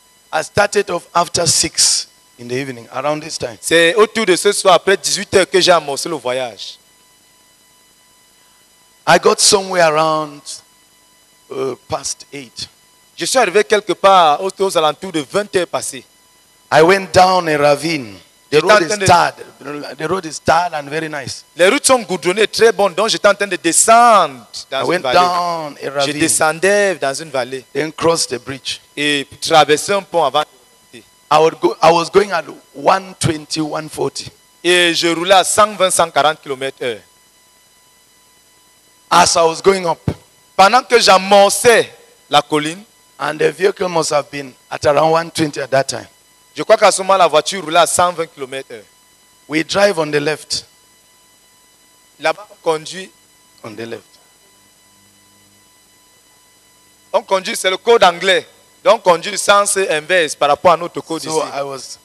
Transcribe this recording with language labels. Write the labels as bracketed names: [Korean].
[English] I started off after 6 in the evening, around this time. [French] C'est autour de ce soir, après 18 heures, que j'ai amorcé le voyage. [English] I got somewhere around past 8. [French] Je suis arrivé quelque part aux alentours de 20 heures passées. [English] I went down a ravine. The road is tarred and very nice. [French] Les routes sont goudronnées, très bonnes. Donc j'étais en train de descendre dans une vallée. [English] Down a ravine. [French] Je descendais dans une vallée. [English] Then crossed the bridge. [French] Et traversais un pont avant. [English] I was going at 120, 140. [French] Et je roulais à 120, 140 km/h. [English] As I was going up. [French] Pendant que j'amorçais la colline. [English] And the vehicle must have been at around 120 at that time. [French] Je crois qu'à ce moment, la voiture roulait à 120 km/h. [English] We drive on the left. [French] Là-bas, on conduit. [English] On the left. [French] On conduit, c'est le code anglais. Donc, on conduit le sens inverse par rapport à notre code [English] so [French] ici.